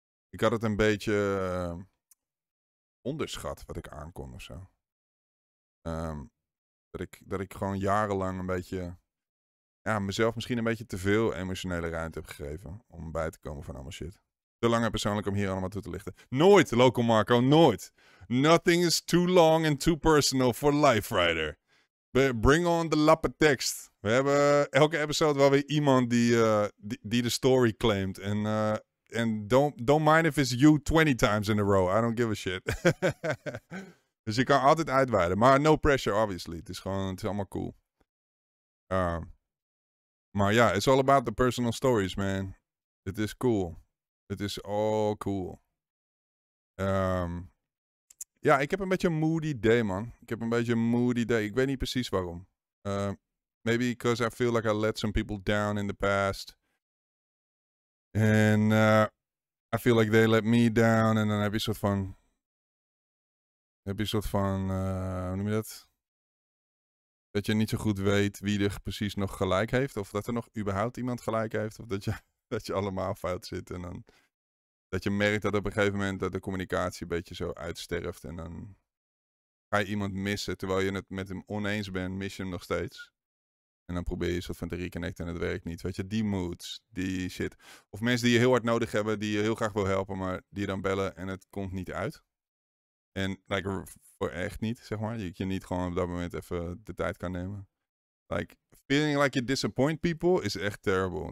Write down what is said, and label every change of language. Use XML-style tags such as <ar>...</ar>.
<nl>Ik had het een beetje onderschat wat ik aankon of zo. Dat ik gewoon jarenlang een beetje, ja, mezelf misschien een beetje te veel emotionele ruimte heb gegeven om bij te komen van allemaal shit. Te lang en persoonlijk om hier allemaal toe te lichten. Nooit, Local Marco, nooit.</nl> <en>Nothing is too long and too personal for Life Rider. Bring on the</en> <nl>lappe tekst. We hebben elke episode wel weer iemand die de story claimt.</nl> <en>En don't mind if it's you 20 times in a row. I don't give a shit.</en> <nl>Dus je kan altijd uitweiden. Maar</nl> <en>no pressure, obviously.</en> <nl>Het is allemaal cool.</nl> <en>Maar ja, it's all about the personal stories, man. It is cool. It is all cool.</en> <nl>Ja, ik heb een beetje een moody day, man. Ik heb een beetje een moody day. Ik weet niet precies waarom.</nl> <en>Maybe because I feel like I let some people down in the past. And I feel like they let me down.</en> <nl>En dan heb je een soort van, hoe noem je dat? Dat je niet zo goed weet wie er precies nog gelijk heeft. Of dat er nog überhaupt iemand gelijk heeft. Of dat je allemaal fout zit en dan. Dat je merkt dat op een gegeven moment dat de communicatie een beetje zo uitsterft. En dan ga je iemand missen. Terwijl je het met hem oneens bent, mis je hem nog steeds. En dan probeer je soort van te reconnecten en het werkt niet. Weet je, die moods, die shit. Of mensen die je heel hard nodig hebben, die je heel graag wil helpen, maar die je dan bellen en het komt niet uit. En like, voor echt niet, zeg maar. Je niet gewoon op dat moment even de tijd kan nemen.</nl> <en>Like, feeling like you disappoint people is echt terrible.</en>